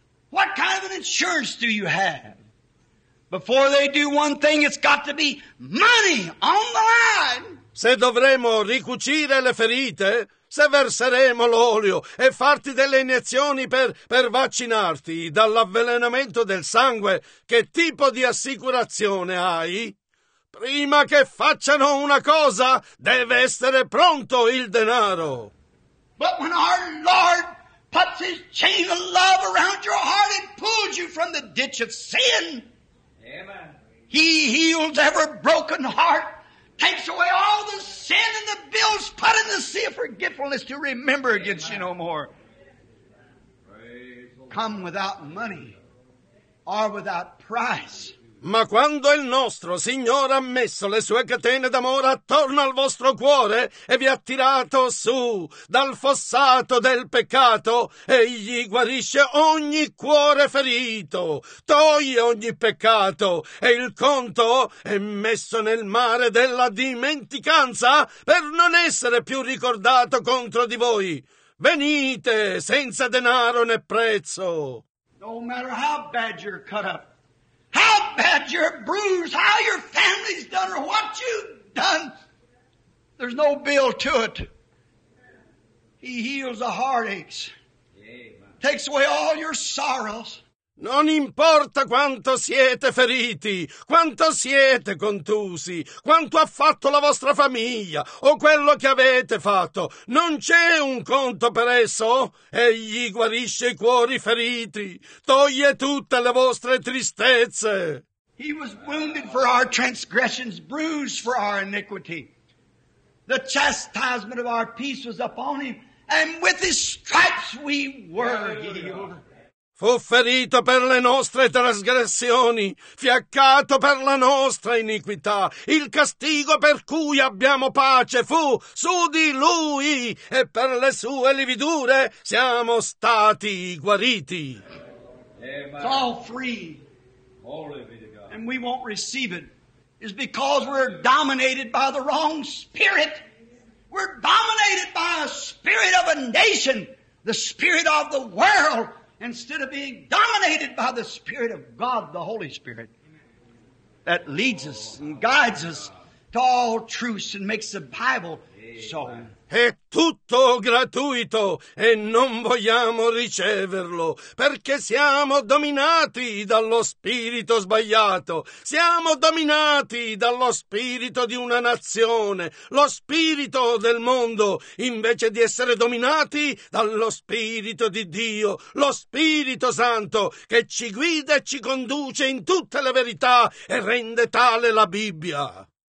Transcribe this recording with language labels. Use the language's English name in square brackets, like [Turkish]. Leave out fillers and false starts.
[English] What kind of an insurance do you have? Before they do one thing, it's got to be money on the line. [Italian] Se dovremo ricucire le ferite, se verseremo l'olio e farti delle iniezioni per vaccinarti dall'avvelenamento del sangue, che tipo di assicurazione hai? Prima che facciano una cosa, deve essere pronto il denaro. [English] But when our Lord puts his chain of love around your heart and pulls you from the ditch of sin, amen. He heals every broken heart, takes away all the sin and the bills put in the sea of forgetfulness to remember against amen. You no more. Come without money or without price. [Italian] Ma quando il nostro Signore ha messo le sue catene d'amore attorno al vostro cuore e vi ha tirato su dal fossato del peccato, egli guarisce ogni cuore ferito, toglie ogni peccato e il conto è messo nel mare della dimenticanza per non essere più ricordato contro di voi. Venite senza denaro né prezzo. [English] No matter how bad you're cut up, how bad your bruise, how your family's done, or what you've done, there's no bill to it. He heals the heartaches. Amen. Takes away all your sorrows. [Italian] Non importa quanto siete feriti, quanto siete contusi, quanto ha fatto la vostra famiglia o quello che avete fatto, non c'è un conto per esso. Egli guarisce i cuori feriti, toglie tutte le vostre tristezze. [English] He was wounded for our transgressions, bruised for our iniquity. The chastisement of our peace was upon him, and with his stripes we were healed. [Italian] Fu ferito per le nostre trasgressioni, fiaccato per la nostra iniquità. Il castigo per cui abbiamo pace fu su di lui e per le sue lividure siamo stati guariti. [English] Amen. It's all free. Holy be to God. And we won't receive it. It's because we're dominated by the wrong spirit. We're dominated by a spirit of a nation, the spirit of the world. Instead of being dominated by the Spirit of God, the Holy Spirit, that leads us and guides us to all truths and makes the Bible so. [Italian] È tutto gratuito e non vogliamo riceverlo perché siamo dominati dallo spirito sbagliato. Siamo dominati dallo spirito di una nazione, lo spirito del mondo, invece di essere dominati dallo spirito di Dio, lo Spirito Santo che ci guida e ci conduce in tutte le verità e rende tale la Bibbia.